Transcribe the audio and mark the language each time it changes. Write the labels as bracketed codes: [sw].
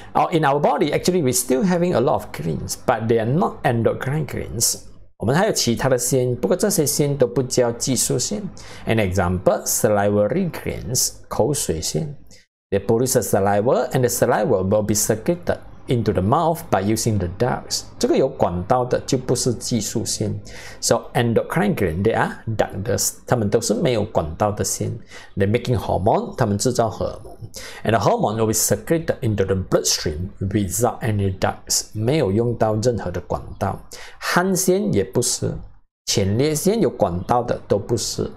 [en] In our body, actually, we're still having a lot of glands, but they are not endocrine glands [zh] 我们还有其他的腺，不过这些腺都不叫激素腺 [en] An example, salivary glands, [zh] 口水腺 [en] They produce a saliva, and the saliva will be secreted into the mouth by using the ducts. [zh] 这个有管道的就不是激素腺。 [en] So endocrine glands, they are ductus. [zh] 它们都是没有管道的腺。 [en] They're making hormone, [zh] 它们制造荷尔蒙。 [en] And the hormone will be secreted into the bloodstream without any ducts. [zh] 没有用到任何的管道。汗腺也不是。前列腺有管道的都不是。